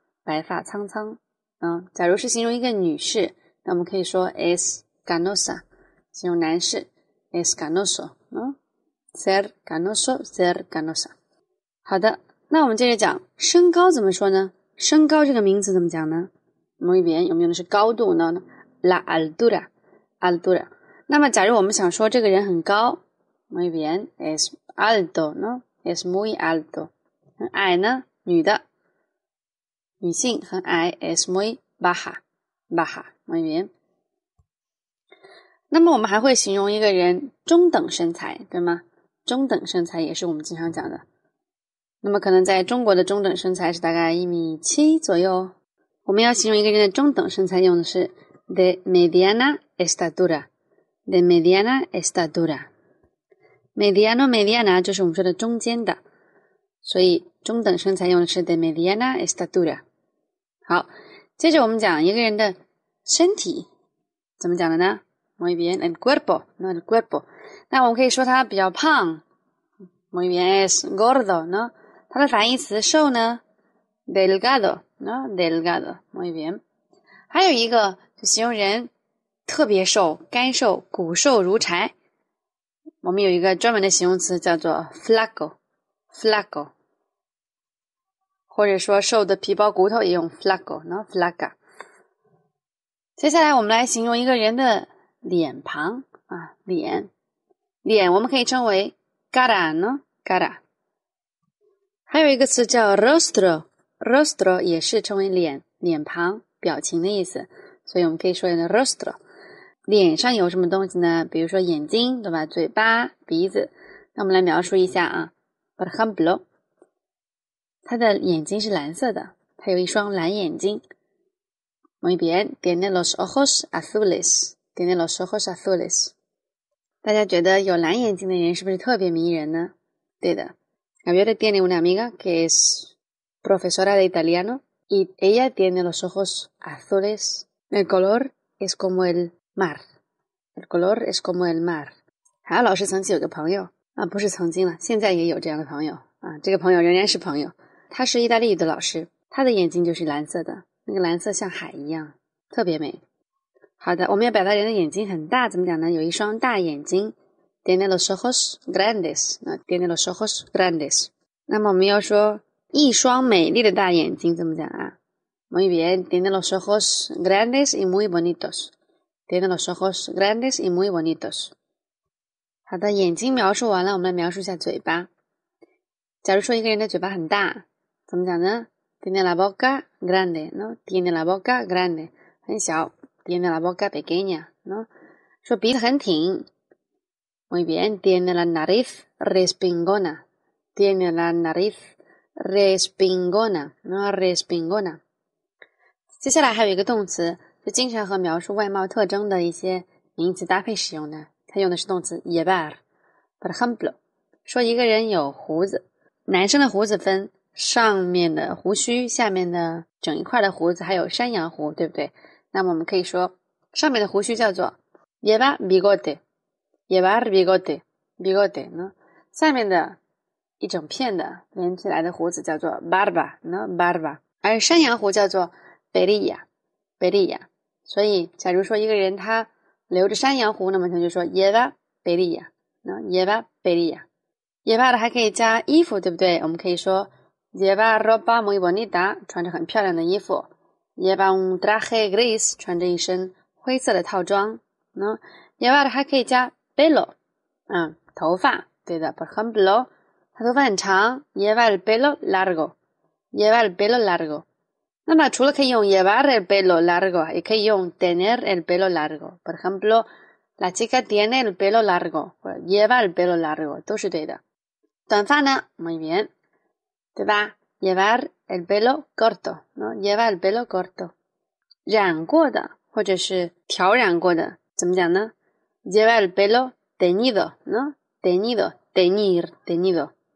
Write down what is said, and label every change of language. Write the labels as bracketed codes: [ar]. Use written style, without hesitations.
[zh] 白发苍苍，假如是形容一个女士，那我们可以说 [es] es canosa, [zh] 形容男士 [es] es canoso, ser canoso, ser canosa. [zh] 好的，那我们接着讲身高怎么说呢？身高这个名词怎么讲呢？ [es] muy bien, [zh] 我们用的是高度呢， [es] la altura, altura. [zh] 那么假如我们想说这个人很高， [es] muy bien, es alto, ¿no? [zh] es muy alto. 很矮呢，女的。女性很矮 [es] ,es muy baja, baja, muy bien. [zh] 那么我们还会形容一个人中等身材，对吗？中等身材也是我们经常讲的。那么可能在中国的中等身材是大概1.7米左右。我们要形容一个人的中等身材用的是 [es] de mediana estatura, de mediana estatura. Mediano, mediana [zh] 就是我们说的中间的。所以中等身材用的是 [es] de mediana estatura。 [zh] 好，接着我们讲一个人的身体怎么讲的呢？ [es] Muy bien, el cuerpo, no el cuerpo. [zh] 那我们可以说他比较胖。 [es] Muy bien, es gordo, no? [zh] 他的反义词瘦呢？ [es] Delgado, no? Delgado, muy bien. [zh] 还有一个就形容人特别瘦，干瘦，骨瘦如柴。我们有一个专门的形容词叫做 [es] flaco, flaco. [zh] 或者说瘦的皮包骨头也用 flaco, no? [es] flaca. [zh] 接下来我们来形容一个人的脸庞啊，脸。脸我们可以称为 [es] cara, no? cara. [zh] 还有一个词叫 [es] rostro, rostro [zh] 也是称为脸，脸庞，表情的意思。所以我们可以说 rostro. 脸上有什么东西呢？比如说眼睛，对吧？嘴巴，鼻子。那我们来描述一下啊， [es] por ejemplo, [zh] 他的眼睛是蓝色的，他有一双蓝眼睛。 [es] Muy bien, tiene los ojos azules. Tiene los ojos azules. [zh] 大家觉得有蓝眼睛的人是不是特别迷人呢？对的， [es] Gabriele tiene una amiga que es profesora de italiano y ella tiene los ojos azules. El color es como el mar. El color es como el mar. [zh] 还有老师曾经有个朋友啊，不是曾经了，现在也有这样的朋友啊。这个朋友仍然是朋友，他是意大利语的老师，他的眼睛就是蓝色的，那个蓝色像海一样，特别美。好的，我们要表达人的眼睛很大，怎么讲呢？有一双大眼睛， [es] tiene los ojos grandes。那 tiene los ojos grandes。 [zh] 那么我们要说一双美丽的大眼睛怎么讲啊？ [es] Muy bien, tiene los ojos grandes y muy bonitos. Tiene los ojos grandes y muy bonitos。 [zh] 好的，眼睛描述完了，我们来描述一下嘴巴。假如说一个人的嘴巴很大，怎么讲呢？ [es] Tiene la boca grande, no? Tiene la boca grande， [zh] 很小。 [es] Tiene la boca pequeña, ¿no? [zh] 说鼻子很挺。 [es] Muy bien, tiene la nariz respingona. Tiene la nariz respingona, ¿no? Respingona. [zh] 接下来还有一个动词，就经常和描述外貌特征的一些名词搭配使用的。它用的是动词 llevar. [es] Por ejemplo, [zh] 说一个人有胡子，男生的胡子分上面的胡须、下面的整一块的胡子，还有山羊胡，对不对？那么我们可以说，上面的胡须叫做 [es] llevar bigote，llevar bigote， [zh] bigote 呢？下面的一整片的连起来的胡子叫做 [es] barba， [zh] 呢 barba，而山羊胡叫做 beria，beria。所以，假如说一个人他留着山羊胡，那么他就说 [es] llevar beria，呢 llevar beria。 [zh] llevar 还可以加衣服，对不对？我们可以说 [es] llevar ropa muy bonita， [zh] 穿着很漂亮的衣服。 [es] Lleva un traje gris， [zh] 穿着一身灰色的套装。 [es] No? Llevar [zh] 还可以加 pelo，头发。对的， [es] por ejemplo， [zh] 他头发很长。 Lleva el pelo largo，lleva el pelo largo。那么除了可以用 [es] llevar el pelo largo， [zh] 也可以用 [es] tener el pelo largo。 por ejemplo，la chica tiene el pelo largo， [zh] 或者 [es] lleva el pelo largo， [zh] 都是对的。短发呢， [es] muy bien， [zh] 对吧？ [es] Llevar el pelo corto, ¿no? Lleva el pelo corto. [zh] 染过的或者是漂染过的，怎么讲呢？ [es] Lleva el pelo teñido, ¿no? Teñido, teñir, teñido.